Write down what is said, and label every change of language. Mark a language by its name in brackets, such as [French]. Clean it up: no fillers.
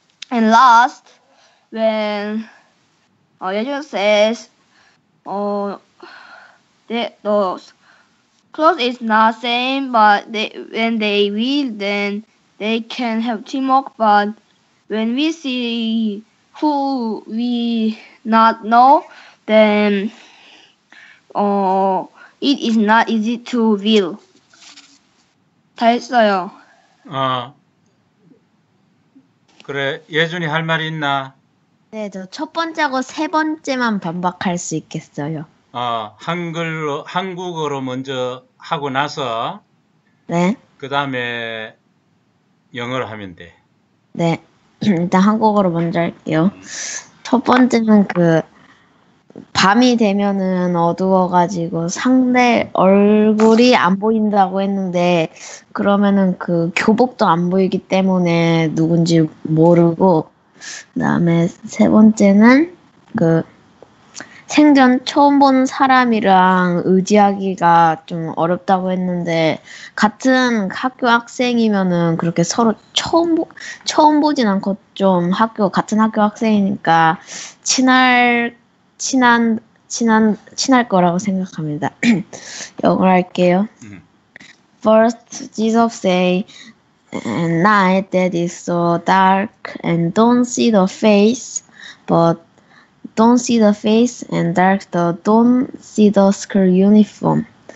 [English] And last, when Yejun says the clothes is not same, but when they will, then they can have teamwork, but when we see who we not know, then it is not easy to will. [Korean] 다 했어요. 그래, 예준이 할 말이 있나? 네, 저 첫 번째하고 세 번째만 반박할 수 있겠어요. 한국어로 먼저 하고 나서, 네. 그 다음에 영어로 하면 돼. 네. 일단 한국어로 먼저 할게요. 첫 번째는 그 밤이 되면은 어두워가지고 상대 얼굴이 안 보인다고 했는데 그러면은 그 교복도 안 보이기 때문에 누군지 모르고, 그다음에 세 번째는 그 생전 처음 본 사람이랑 의지하기가 좀 어렵다고 했는데, 같은 학교 학생이면은 그렇게 서로 처음 보진 않고 좀 같은 학교 학생이니까 친할 거라고 생각합니다. 영어로 할게요. [English] First, Jesus say, "Night that is so dark and don't see the face, but don't see the face and dark the don't see the school uniform."